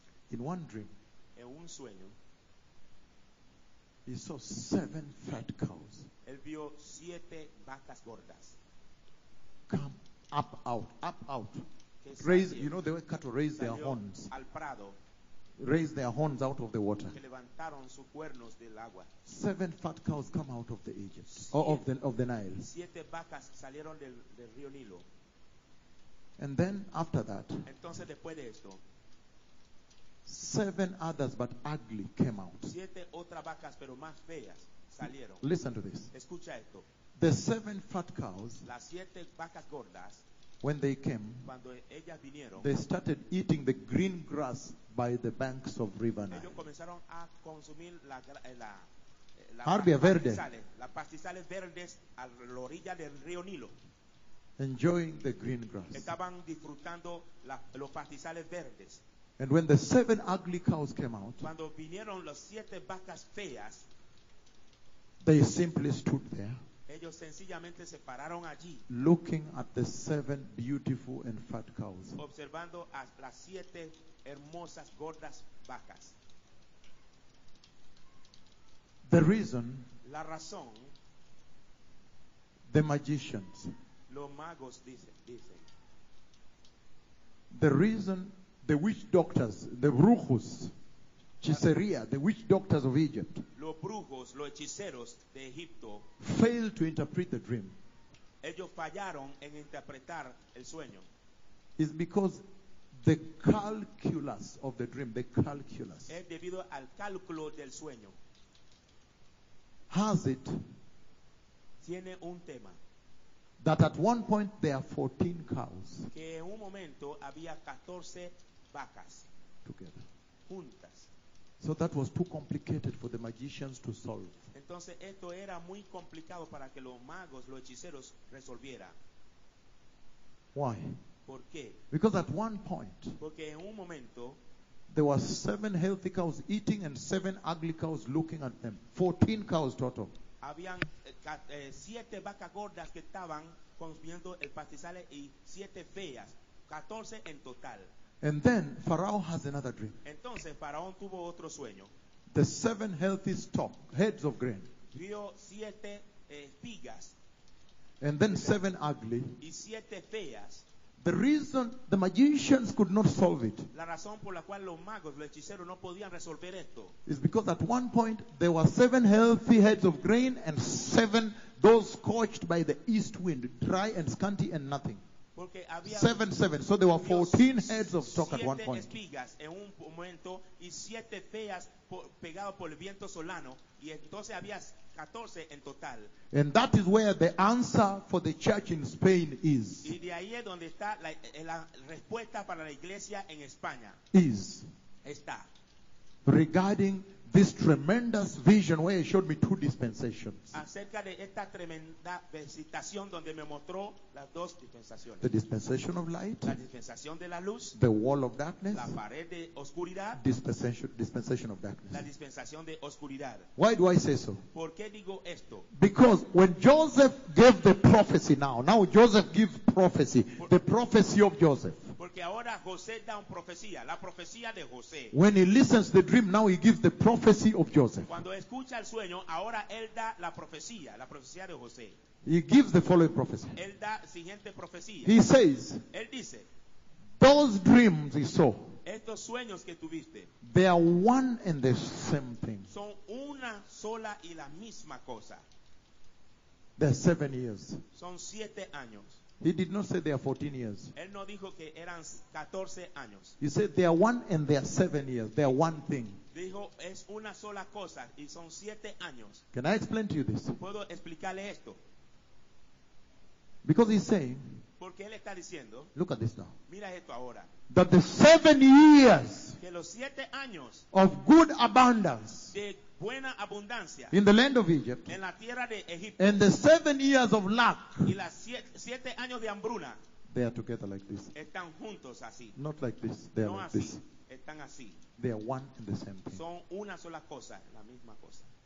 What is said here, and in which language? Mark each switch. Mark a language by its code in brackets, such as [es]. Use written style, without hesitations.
[en] In one dream, [es] en un sueño, [en] he saw seven fat cows. [es] Él vio siete vacas gordas. [en] Come up out. Raise, you know, they were cattle, raise their horns. [es] Al prado. [en] Raise their horns out of the water. [es] Que levantaron sus cuernos del agua. [en] Seven fat cows come out of the Egypt, or of the Nile. [es] Siete vacas salieron del río Nilo. [en] And then after that, [es] entonces después de esto, [en] seven others but ugly came out. [es] Siete otras vacas pero más feas salieron. [en] Listen to this. [es] Escucha esto. [en] The seven fat cows, [es] las siete vacas gordas, [en] when they came, [es] cuando ellas vinieron, [en] they started eating the green grass by the banks of River Nile. [es] Ellos comenzaron a consumir la herbia verde, las pastizales verdes a la orilla del río Nilo. [en] Enjoying the green grass. [es] Estaban disfrutando los pastizales verdes. [en] And when the seven ugly cows came out, [es] cuando vinieron las siete vacas feas, [en] they simply stood there. [es] Ellos sencillamente se pararon allí. [en] Looking at the seven beautiful and fat cows. [es] Observando a las siete hermosas gordas vacas. [en] The reason. [es] La razón. [en] The magicians. [es] Los magos dicen. [en] The reason. The witch doctors, the [es] brujos, hechicería, [en] the witch doctors of Egypt. [es] Los brujos, los hechiceros de Egipto. [en] Failed to interpret the dream. [es] Ellos fallaron en interpretar el sueño. [en] It's because the calculus of the dream, the calculus. [es] Es debido al cálculo del sueño. [en] Has it. [es] Tiene un tema. [en] That at one point there are 14 cows. [es] Que en un momento había 14 vacas [en] together. [es] Juntas. [en] So that was too complicated for the magicians to solve. [es] Entonces esto era muy complicado para que los magos, los hechiceros resolvieran. [en] Why? [es] ¿Por qué? [en] Because at one point, [es] porque en un momento, [en] there were seven healthy cows eating and seven ugly cows looking at them. 14 cows total. [es] Habían siete vacas gordas que estaban consumiendo el pastizal y siete feas, 14 en total. [en] And then Pharaoh has another dream. [es] Entonces Faraón tuvo otro sueño. [en] The seven healthy stalk, heads of grain. [es] Vio siete espigas. [en] And then seven ugly. [es] Y siete feas. [en] The reason the magicians could not solve it. [es] La razón por la cual los magos, los hechiceros no podían resolver esto. [en] Is because at one point there were seven healthy heads of grain and seven those scorched by the east wind, dry and scanty and nothing. [es] Porque había [en] seven. So there were 14 heads of stock at one point. [es] Siete espigas en un momento y siete feas pegadas por el viento solano. Y entonces había 14 en total. [en] And that is where the answer for the church in Spain is. [es] Y de ahí es donde está la respuesta para la iglesia en España. [en] Is. [es] Está. [en] Regarding this tremendous vision where it showed me two dispensations. [es] Acerca de esta tremenda visitación donde me mostró las dos dispensaciones. [en] The dispensation of light. [es] La dispensación de la luz. [en] The wall of darkness. [es] La pared de oscuridad. [en] Dispensation of darkness. [es] La dispensación de oscuridad. [en] Why do I say so? [es] ¿Por qué digo esto? [en] Because when Joseph gave the prophecy now Joseph gives prophecy. The prophecy of Joseph. [es] Porque ahora José da una profecía, la profecía de José. [en] When he listens the dream, now he gives the prophecy of Joseph. [es] Cuando escucha el sueño, ahora él da la profecía de José. [en] He gives the following prophecy. [es] Él da siguiente profecía. [en] He says, [es] él dice, [en] those dreams he saw, [es] estos sueños que tuviste, [en] they are one and the same thing. [es] Son una sola y la misma cosa. [en] They are 7 years. [es] Son siete años. [en] He did not say they are 14 years. [es] Él no dijo que eran 14 años. [en] He said they are one and they are 7 years. They are one thing. [es] Dijo, es una sola cosa y son siete años. [en] Can I explain to you this? [es] ¿Puedo explicarle esto? [en] Because he's saying, [es] porque él está diciendo, [en] look at this now. [es] Mira esto ahora. [en] That the 7 years, [es] que los siete años, [en] of good abundance, [es] de buena abundancia, [en] in the land of Egypt, [es] en la tierra de Egipto, [en] and the 7 years of lack, [es] y las siete años de hambruna, [en] they are together like this. [es] Están juntos así. [en] Not like this, they are [es] no [en] like [es] así, [en] this. [es] Están así. [en] They are one and the same thing. [es] Son una sola cosa, la misma cosa.